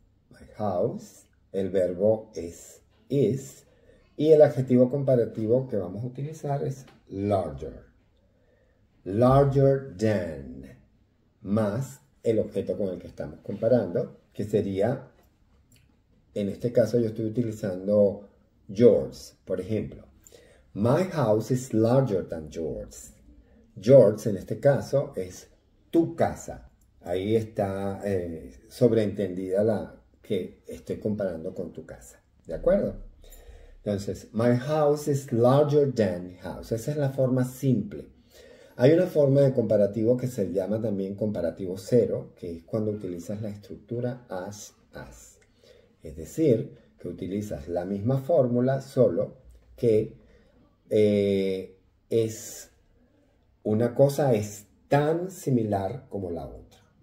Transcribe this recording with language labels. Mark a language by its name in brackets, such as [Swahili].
[English] My house, [Spanish] el verbo es is y el adjetivo comparativo que vamos a utilizar es larger. [English] Larger than, [Spanish] más el objeto con el que estamos comparando, que sería, en este caso yo estoy utilizando yours, por ejemplo. [English] My house is larger than yours. [Spanish] Yours, en este caso, es tu casa. Ahí está sobreentendida la que estoy comparando con tu casa. ¿De acuerdo? Entonces, [English] my house is larger than house. [Spanish] Esa es la forma simple. Hay una forma de comparativo que se llama también comparativo cero, que es cuando utilizas la estructura as, as. Es decir, que utilizas la misma fórmula, solo que es una cosa es tan similar como la otra.